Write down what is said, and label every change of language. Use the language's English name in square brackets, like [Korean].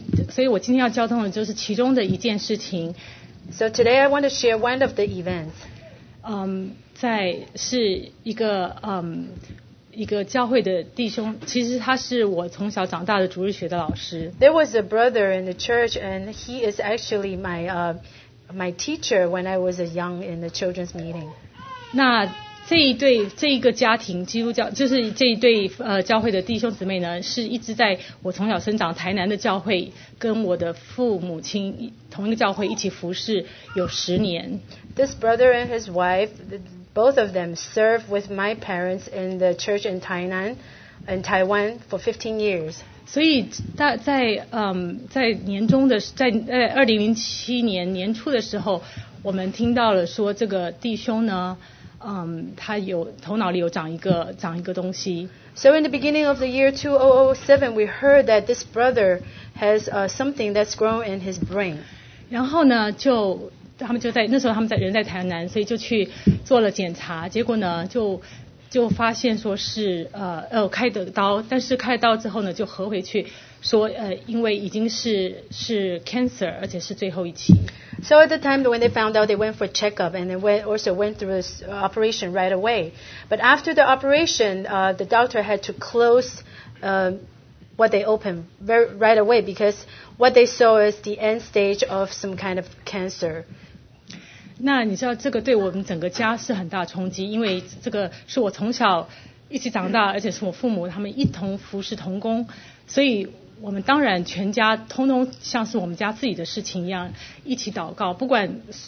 [Chinese] 所以我今天要交通的就是其中的一件事情。 [English] So today I want to share one of the events. [Chinese] 在是一个一个教会的弟兄，其实他是我从小长大的主日学的老师。 [English] There was a brother in the church and he is actually my teacher when I was young in the children's meeting. [Chinese] 那这一个家庭基督教就是这一对教会的弟兄姊妹呢是一直在我从小生长台南的教会跟我的父母亲同一个教会一起服侍有十年 [English] This brother and his wife both of them served with my parents in the church in Tainan and Taiwan for 15 years [Chinese] 所以在年终的在2007年年初的时候我们听到了说这个弟兄呢他有头脑里有长一个东西。 [English] So in the beginning of the year 2007, we heard that this brother has something that's grown in his brain. [Chinese] 然后呢，就他们就在那时候他们在人在台南，所以就去做了检查。结果呢，就发现说是开的刀，但是开刀之后呢，就合回去说因为已经是 cancer， 而且是最后一期。 [English] So at the time when they found out, they went for checkup and they went, also went through this operation right away. But after the operation, the doctor had to close what they opened right away because what they saw is the end stage of some kind of cancer. [Chinese] 那你知道这个对我们整个家是很大冲击，因为这个是我从小一起长大，而且是我父母他们一同服侍同工，所以我们当然全家通通像是我们家自己的事情一样一起祷告，不管